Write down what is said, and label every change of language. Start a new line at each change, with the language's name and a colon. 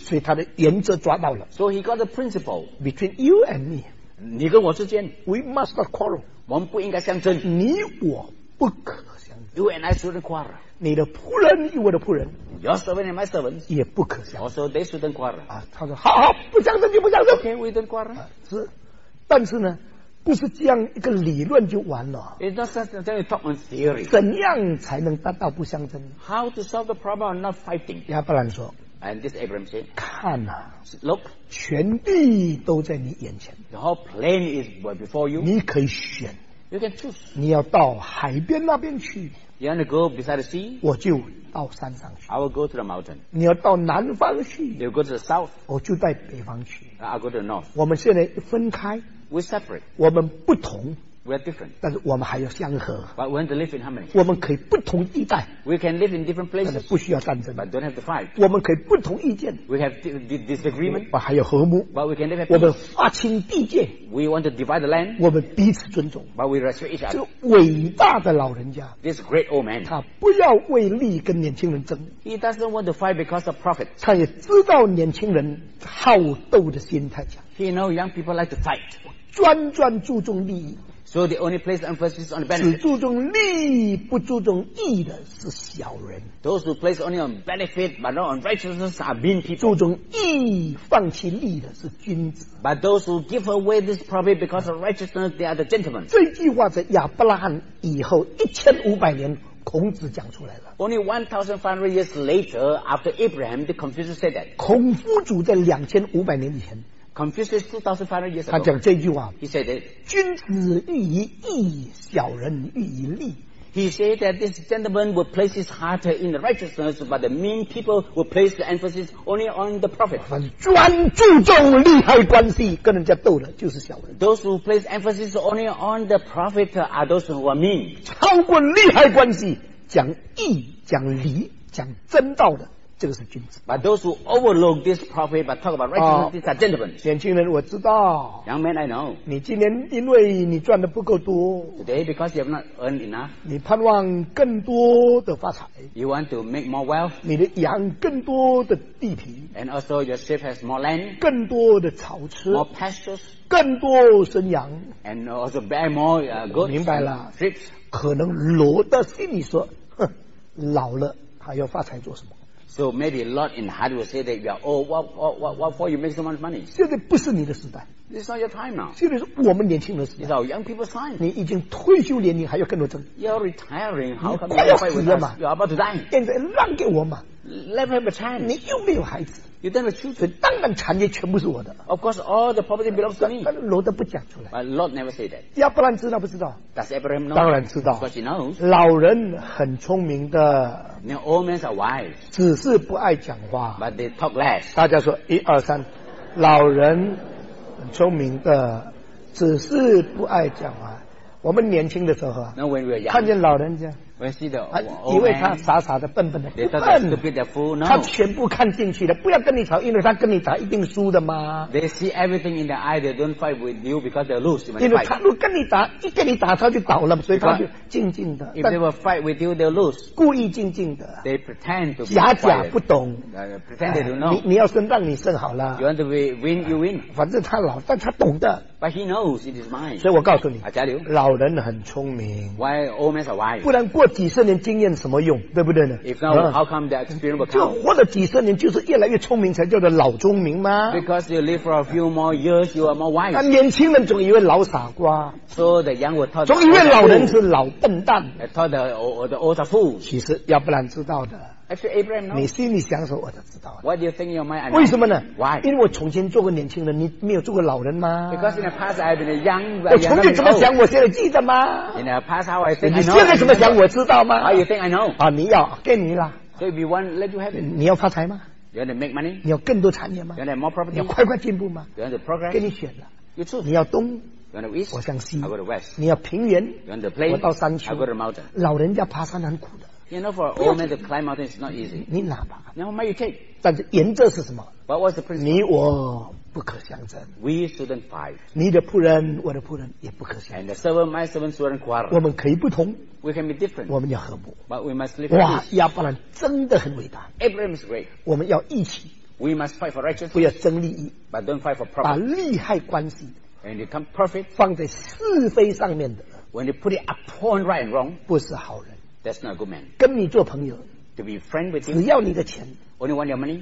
Chinese: 所以他的原则抓到了。
English: So he got the principle between you and me.
Chinese: 你跟我之间
English: ，we must not quarrel.
Chinese: 我们不应该相争。你我不可相争。
English: You and I shouldn't quarrel.
Chinese: 你的仆人与我的仆人。
English: Your servant and my servant
Chinese: 也不可相争。
English: Also, they shouldn't quarrel.
Chinese: 啊，他说，好好，不相争就不相争。
English: Okay, we don't quarrel.
Chinese: 是，但是呢，不是这样一个理论就完了。
English: It's not just that you talk on theory.
Chinese: 怎样才能达到不相争
English: ？How to solve the problem of not fighting?
Chinese: 亚伯兰说。
English: And this Abraham said,
Chinese: 看啊
English: ，Look,
Chinese: 全地都在你眼前。
English: The whole plain is before you.
Chinese: 你可以选。
English: You can choose.
Chinese: 你要到海边那边去。
English: You want to go beside the sea?
Chinese: 我就。到山上去
English: I will go to the mountain
Chinese: 你要到南方去
English: You go to the south
Chinese: 我就在北方去
English: I'll go to the north
Chinese: 我们现在分开
English: We separate
Chinese: 我们不同
English: We are different
Chinese: 但是我们还要相合
English: But we want to live in harmony
Chinese: 我们可以不同地带
English: We can live in different places
Chinese: 但是不需要战争
English: But don't have to fight
Chinese: 我们可以不同意见
English: We have disagreement
Chinese: 我还有和睦
English: But we can live at peace
Chinese: 我们划清地界
English: We want to divide the land
Chinese: 我们彼此尊重
English: But we respect each other
Chinese: 这伟大的老人家
English: This great old man
Chinese: 他不要为利跟年轻人争
English: He doesn't want to fight because of profit
Chinese: 他也知道年轻人好斗的心态讲
English: He knows young people like to fight
Chinese: 专专注重利益。
English: So the only place the emphasis is on the benefit.
Chinese: 只注重利益不注重义的是小人。
English: Those who place only on benefit but not on righteousness are mean people.
Chinese: 注重义放弃利的是君子。
English: But those who give away this profit because of righteousness, they are the gentlemen.
Chinese: 这句话在亚伯拉罕以后1500年孔子讲出来了。
English: Only 1500 years later, after Abraham, the Confucius said that.
Chinese: 孔夫子在2500年以前。
English: Confucius 2500 years ago,
Chinese: 他讲这句话
English: he said that,
Chinese: 君子喻于义小人喻于利
English: he said that this gentleman will place his heart in the righteousness but the mean people will place the emphasis only on the profit
Chinese: 很专注重利害关系跟人家斗的就是小人
English: those who place emphasis only on the profit are those who are mean
Chinese: 超过利害关系讲义讲理讲真道的这个是君子。
English: But those who overlook this prophet but talk about righteousness are gentlemen.
Chinese: 年轻人，我知道。
English: Young man, I know.
Chinese: 你今年因为你赚的不够多。
English: Today because you have not earned enough.
Chinese: 你盼望更多的发财。
English: You want to make more wealth.
Chinese: 你的养更多的地皮。
English: And also your sheep has more land.
Chinese: 更多的草吃。
English: More pastures.
Chinese: 更多生羊。
English: And also bear more goats.
Chinese: 明白了。
English: Sheep.
Chinese: 可能罗德心里说，哼，老了还要发财做什么？
English: So maybe a lot in heart will say that you are old. What for you make so much money?
Chinese: 现在不是你的时代。
English: This is not your time now.
Chinese: 现在是我们年轻的时代。
English: It's our young people's time.
Chinese: 你已经退休年龄还要跟我争。
English: You're retiring. How come you fight with us? You're about to die.
Chinese: 现在让给我嘛。
English: Let me have a chance.
Chinese: 你又没有孩子。
English: You don't have children.
Chinese: 当然产业全部是我的。
English: Of course, all the property belongs to me.
Chinese: 罗德不讲出来。
English: But Lord never say that.
Chinese: 亚伯兰知道不知道？
English: Does Abraham know?
Chinese: 当然知道。
English: Of course he knows.
Chinese: 老人很聪明的。
English: Now old men are wise.
Chinese: 只是不爱讲话。
English: But they talk less.
Chinese: 大家说一二三，老人很聪明的，只是不爱讲话。我们年轻的时候啊，
English: Now when we are young,
Chinese: 看见老人家。
English: When see the old man,
Chinese: 以为他傻傻的笨笨的笨
English: fool,、no.
Chinese: 他全部看进去了不要跟你吵因为他跟你吵一定输的嘛
English: they see everything in their eye they don't fight with you because they lose you
Chinese: 因为他如果跟你打一跟你打他就倒了所以他就静静的
English: if they will fight with you they'll lose
Chinese: 故意静静的
English: they pretend to be
Chinese: 假假不懂
English: pretend they don't know
Chinese: 你要胜让你胜好了
English: you want to win you win
Chinese: 反正他老但他懂的
English: but he knows it is mine
Chinese: 所以我告诉你
English: I tell you
Chinese: 老人很聪明
English: why old men are wise
Chinese: 不然过几十年经验什么用对不对呢
English: if not, how come the experience will come?
Chinese: 就活了几十年就是越来越聪明才叫做老聪明吗
English: because you live for a few more years you are more wise
Chinese: 那年轻人总以为老傻瓜
English: so the young will thought
Chinese: 总以为老人是老笨蛋
English: I thought the old are fools
Chinese: 其实要不然知道的
English: actually Abraham knows
Chinese: 你心里想说我都知道
English: what do you think in your mind
Chinese: 为什么呢
English: why
Chinese: 因为我从前做过年轻人你没有做过老人吗
English: because in the past I have been a young
Chinese: 我从前怎么想我现在记得吗
English: in the past how I think I know
Chinese: 你现在怎么想我知道吗
English: how you think I know
Chinese: 啊，你要给你啦
English: so if you want let you have it
Chinese: 你要发财吗
English: you want to make money
Chinese: 你要更多产业吗
English: you want to have more property
Chinese: 你要快快进步吗
English: you want to progress
Chinese: 给你选了
English: you choose
Chinese: 你要东
English: You want to east?
Chinese: 我向西
English: I go to west.
Chinese: 你要平原
English: you want to plain?
Chinese: 我到山丘
English: I go to mountain.
Chinese: 老人家爬山很苦的
English: You know for old men to climb mountains is not easy
Chinese: 你哪爬
English: Now might you take
Chinese: 但是原则是什么
English: But what's the principle?
Chinese: 你我不可相争
English: We shouldn't fight
Chinese: 你的仆人我的仆人也不可相争
English: And the servant my servant shouldn't quarrel
Chinese: 我们可以不同
English: We can be different
Chinese: 我们要和睦
English: But we must live in peace
Chinese: 哇亚伯兰真的很伟大
English: Abraham is great
Chinese: 我们要一起
English: We must fight for righteousness
Chinese: 不要争利益
English: But don't fight for profit
Chinese: 把利害关系
English: And you come perfect,
Chinese: 放在是非上面的
English: When you put it upon right and wrong
Chinese: 不是好人
English: That's not a good man
Chinese: 跟你做朋友
English: To be friend with you
Chinese: 只要你的钱
English: Only want your money